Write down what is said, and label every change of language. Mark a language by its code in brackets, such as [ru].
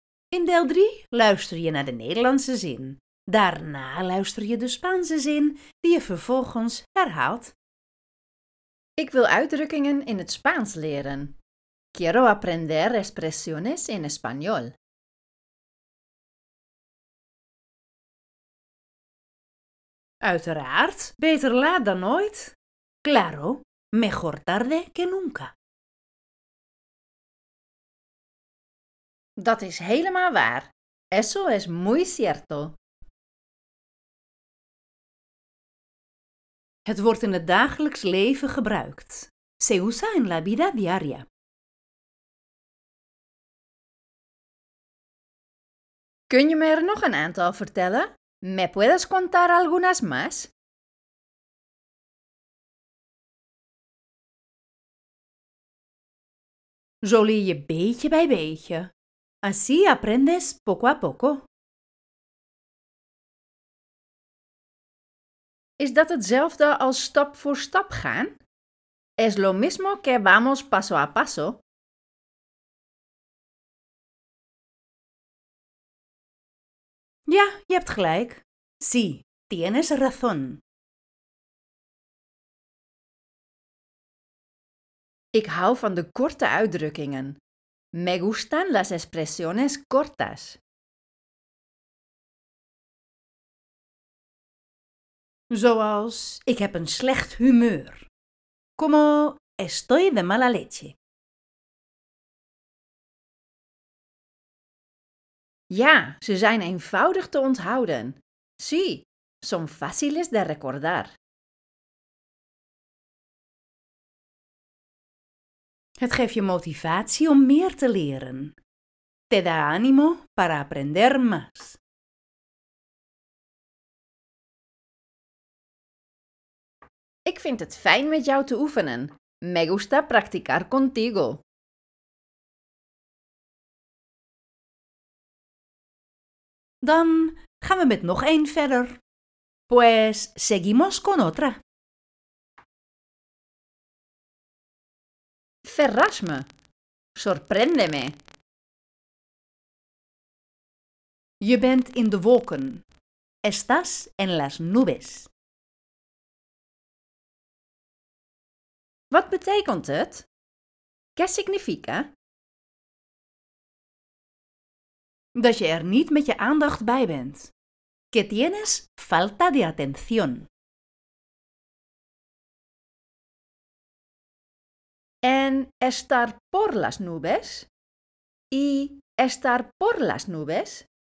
[nl] In deel 3 luister je naar de Nederlandse zin. Daarna luister je de Spaanse zin die je vervolgens herhaalt. Ik wil uitdrukkingen in het Spaans leren. [es] Quiero aprender expresiones en español. [nl] Uiteraard, beter laat dan nooit. [es] Claro, mejor tarde que nunca. [nl] Dat is helemaal waar. [es] Eso es muy cierto. [nl] Het wordt in het dagelijks leven gebruikt. [es] Se usa en la vida diaria. [nl] Kun je me er nog een aantal vertellen? [es] ¿Me puedes contar algunas más? [nl] Zo leer je beetje bij beetje. [es] Así aprendes poco a poco. [nl] ¿Es dat hetzelfde als stap voor stap gaan? [es] Es lo mismo que vamos paso a paso. [nl] Ja, je hebt gelijk. [es] Sí, tienes razón. [nl] Ik hou van de korte uitdrukkingen. [es] Me gustan las expresiones cortas. [nl] Zoals, ik heb een slecht humeur. [es] Como, estoy de mala leche. [nl] Ja, ze zijn eenvoudig te onthouden. [es] Sí, son fáciles de recordar. [nl] Het geeft je motivatie om meer te leren. [es] Te da ánimo para aprender más. [nl] Ik vind het fijn met jou te oefenen. [es] Me gusta practicar contigo. [nl] Dan gaan we met nog één verder. [es] Pues seguimos con otra. [nl] Verrasme. [es] Sorpréndeme. [nl] Je bent in de wolken. [es] Estás en las nubes. [nl] Wat betekent het? [es] ¿Qué significa? [nl] Dat je er niet met je aandacht bij bent. [es] Que tienes falta de atención. En estar por las nubes. Y estar por las nubes.